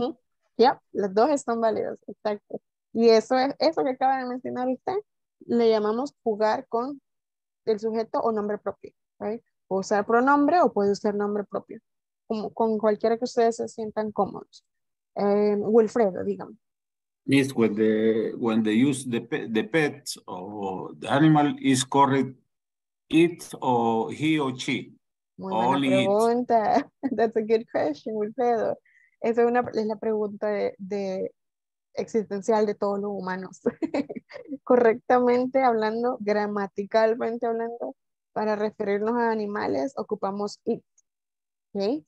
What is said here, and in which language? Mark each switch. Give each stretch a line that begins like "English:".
Spanish: Uh-huh. Yep, las dos están válidas, exacto. Y eso es eso que acaba de mencionar usted, le llamamos jugar con el sujeto o nombre propio, right? O usar pronombre o puede usar nombre propio, como con cualquiera que ustedes se sientan cómodos. Wilfredo, dígame.
English: Yes, when the use the pet or the animal is correct, it or he or she.
Spanish: Muy buena pregunta.
English: That's a good question, Wilfredo.
Spanish: Esa es, es la pregunta de existencial de todos los humanos. Correctamente hablando, gramaticalmente hablando, para referirnos a animales, ocupamos it. Okay?